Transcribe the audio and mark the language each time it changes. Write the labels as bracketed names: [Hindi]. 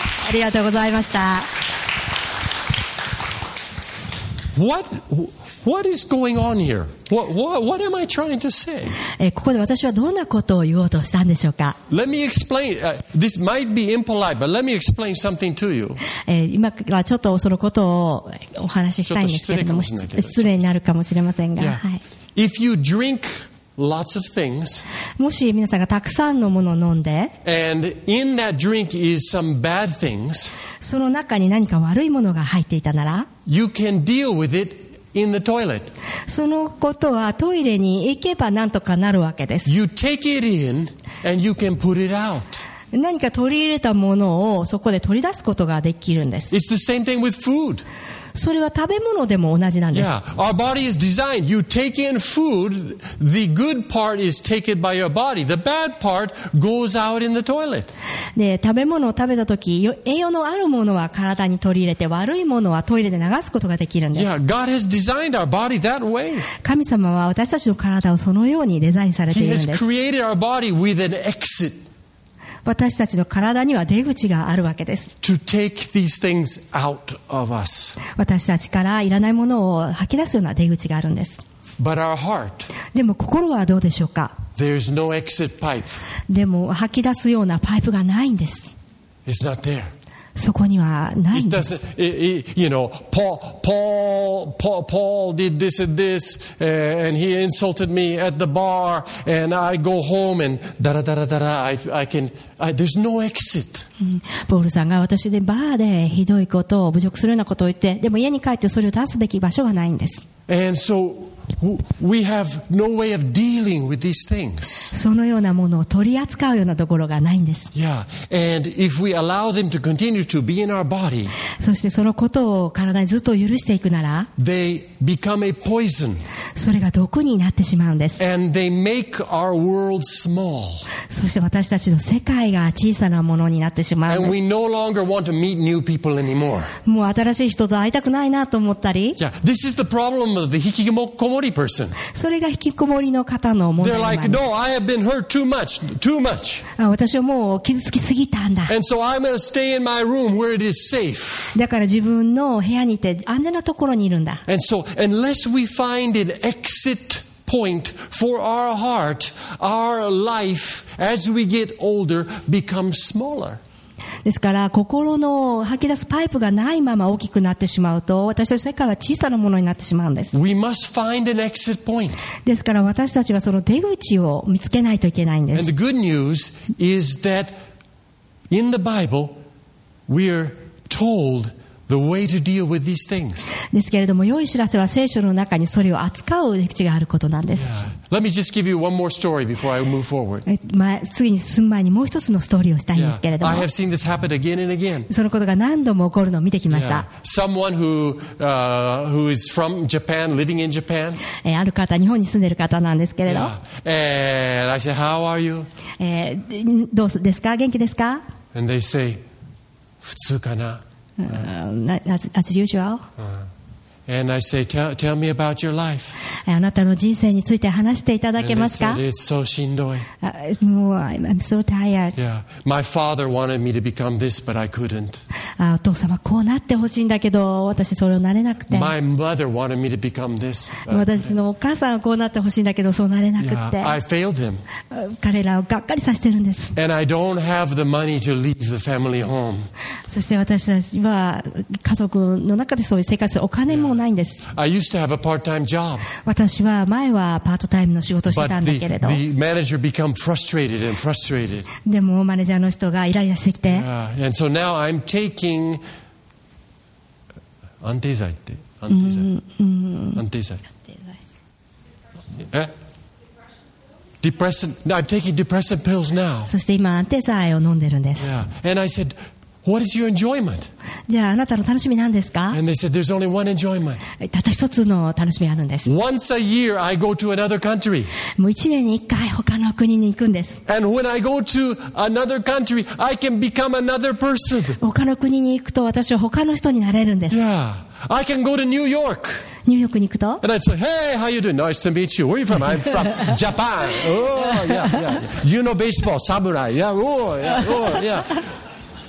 [Japanese] ありがとうございました。 [English] what is going on here? What am I trying to say? [Japanese] ここで私はどんなことを言おうとしたんでしょうか? [English] Let me explain. This might be impolite, but let me explain something to you. [Japanese] 今はちょっとそのことをお話ししたいんですけれども、失礼になるかもしれませんが、 [English] はい。If you drink lots of things, [Japanese] もし皆さんがたくさんのものを飲んで、 [English] and in that drink is some bad things, [Japanese] その中に何か悪いものが入っていたなら、 [English] you can deal with it in the toilet. [Japanese] そのことはトイレに行けばなんとかなるわけです。 [English] You take it in and you can put it out. [Japanese] 何か取り入れたものをそこで取り出すことができるんです。 [English] It's the same thing with food. [Japanese] それは食べ物でも同じなんです。 [English] Yeah, our body is designed. You take in food, the good part is taken by your body. The bad part goes out in the toilet. [Japanese] で、食べ物を食べた時、栄養のあるものは体に取り入れて、悪いものはトイレで流すことができるんです。 [English] Yeah, God has designed our body that way. [Japanese] 神様は私たちの体をそのようにデザインされているんです。 [English] He has created our body with an exit. [Japanese] 私たちの体には出口があるわけです。 [English] To take these things out of us. [Japanese] 私たちからいらないものを吐き出すような出口があるんです。 [English] But our heart, [Japanese] でも心はどうでしょうか? [English] There's no exit pipe. [Japanese] でも吐き出すようなパイプがないんです。 [English] It's not there. [Japanese] そこにはないんです。 [English] You know, Paul did this and this, and he insulted me at the bar, and I go home and da da da da da. I there's no exit. [Japanese] ポールさんが私でバーでひどいことを侮辱するようなことを言って、でも家に帰ってそれを出すべき場所がないんです。 [English] And so we have no way of dealing with these things. [Japanese] そのようなものを取り扱うようなところがないんです。 [English] Yeah, and if we allow them to continue to be in our body, [Japanese] そしてそのことを体にずっと許していくなら、 [English] they become a poison. [Japanese] それが毒になってしまうんです。 [English] And they make our world small. [Japanese] そして私たちの世界が小さなものになってしまうんです。 [English] And we no longer want to meet new people anymore. [Japanese] もう新しい人と会いたくないなと思ったり、 [English] yeah, this is the problem of the hikikomori. [Japanese] それが引きこもりの方の問題です。 [English] They're like, no, I have been hurt too much, too much. [Japanese] 私はもう傷つきすぎたんだ。 [English] And so I'm going to stay in my room where it is safe. [Japanese] だから自分の部屋にいて安全なところにいるんだ。 [English] And so unless we find an exit point for our heart, our life as we get older becomes smaller. [Japanese] ですから心の吐き出すパイプがないまま大きくなってしまうと私たちの世界は小さなものになってしまうんです。 [English] We must find an exit point. [Japanese] ですから私たちはその出口を見つけないといけないんです。 [English] And the good news is that in the Bible we are told the way to deal with these things. [Japanese] ですけれども良い知らせは聖書の中にそれを扱う出口があることなんです。 [English] Yeah. Let me just give you one more story before I move forward. [Japanese] 次に進む前にもう一つのストーリーをしたいんですけれども、 [English] yeah. I have seen this happen again and again. [Japanese] そのことが何度も起こるのを見てきました。 [English] Yeah. Someone who is from Japan, living in Japan. [Japanese] ある方、日本に住んでる方なんですけれど、 [English] yeah. And I say, how are you? [Japanese] どうですか、元気ですか。 [English] And they say, [Japanese] 普通かな。 [English] That's usual. And I say, tell me about your life. [Japanese] あなたの人生について話していただけますか? [English] And they said, it's so [Japanese] しんどい。 [English] I'm so tired. Yeah. My father wanted me to become this, but I couldn't. [Japanese] お父様こうなってほしいんだけど、私それをなれなくて。 [English] My mother wanted me to become this. [Japanese] 私のお母さんはこうなってほしいんだけど、そうなれなくて。 [English] I failed them. [Japanese] 彼らをがっかりさせてるんです。 [English] And I don't have the money to leave the family home. [Japanese] そして私たちは家族の中でそういう生活するお金もないんです。 [English] Yeah. I used to have a part-time job. [Japanese] 私は前はパートタイムの仕事をしてたんだけれど、 [English] But the manager became frustrated and frustrated. [Japanese] でもマネージャーの人がイライラしてきて、 [English] Yeah. And so now I'm taking [Japanese] 安定剤って安定剤、 [English] Depressant. I'm taking depressant pills now. [Japanese] そして今安定剤を飲んでるんです。 [English] Yeah. And I saidWhat is your enjoyment? [Japanese] じゃああなたの楽しみなんですか? [English] And they said, there's only one enjoyment. [Japanese] ただ一つの楽しみがあるんです。 [English] Once a year, I go to another country. [Japanese] もう一年に一回他の国に行くんです。 [English] And when I go to another country, I can become another person. [Japanese] 他の国に行くと私は他の人になれるんです。 [English] Yeah, I can go to New York. [Japanese] ニューヨークに行くと、 [English] And I said, Hey, how you doing? Nice to meet you. Where are you from? I'm from Japan. Oh, yeah, yeah, yeah. You know baseball, samurai. Yeah, oh, yeah, oh, yeah.